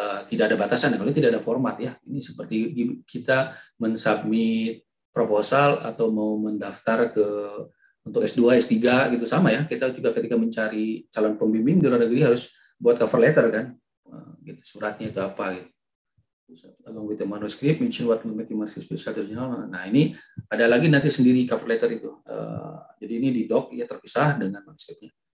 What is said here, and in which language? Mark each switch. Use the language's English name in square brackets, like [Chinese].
[Indonesian] Tidak ada batasan, kalau tidak ada format ya. Ini seperti kita mensubmit proposal atau mau mendaftar ke untuk S2, S3 gitu sama ya. Kita juga ketika mencari calon pembimbing di luar negeri harus buat cover letter kan. Gitu, suratnya itu apa gitu. [English] Along with the manuscript, mention what will make you more special to journal. [Indonesian] Nah, ini ada lagi nanti sendiri cover letter itu. Jadi ini di doc ya terpisah dengan manuscriptnya.